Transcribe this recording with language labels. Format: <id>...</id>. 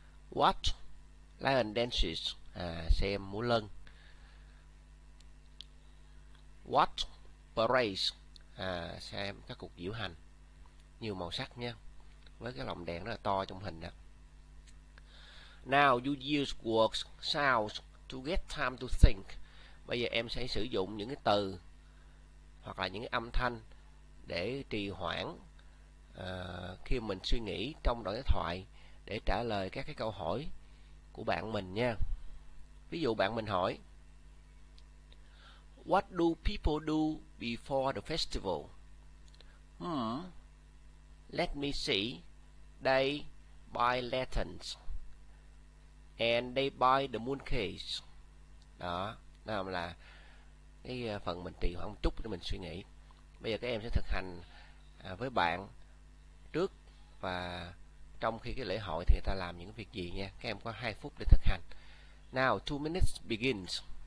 <en>Watch lion dances.</en> <vi>À, xem múa lân.</vi> <en>Watch parades.</en> <vi>À, xem các cuộc diễu hành nhiều màu sắc nha, với cái lồng đèn rất là to trong hình đó.</vi> <en>Now you use words sounds to get time to think.</en> <vi>Bây giờ em sẽ sử dụng những cái từ hoặc là những cái âm thanh để trì hoãn khi mình suy nghĩ trong đoạn đối thoại để trả lời các cái câu hỏi của bạn mình nha. Ví dụ bạn mình hỏi:</vi> <en>What do people do before the festival? Let me see. They buy lanterns and they buy the moon cakes.</en> <vi>Đó, nào là cái phần mình trì hoãn một chút để mình suy nghĩ. Bây giờ các em sẽ thực hành với bạn trước và trong khi cái lễ hội thì người ta làm những việc gì nha. Các em có 2 phút để thực hành.</vi> <en>Now 2 minutes begins.</en>